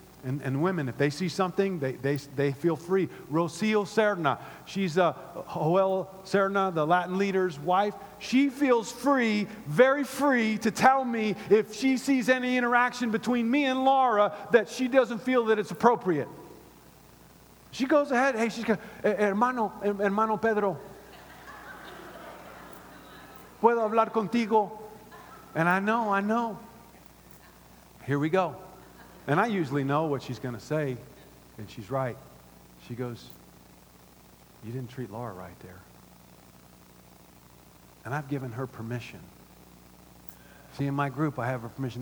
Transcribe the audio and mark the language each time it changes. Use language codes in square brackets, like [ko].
[en] And women, if they see something, they feel free. Rocio Serna, she's Joel Serna, the Latin leader's wife. She feels free, very free, to tell me if she sees any interaction between me and Laura that she doesn't feel that it's appropriate. She goes ahead, hey, she's going, [es] hermano Pedro, ¿puedo hablar contigo? [en] And I know. Here we go. And I usually know what she's going to say, and she's right. She goes, you didn't treat Laura right there. And I've given her permission. See, in my group, I have her permission.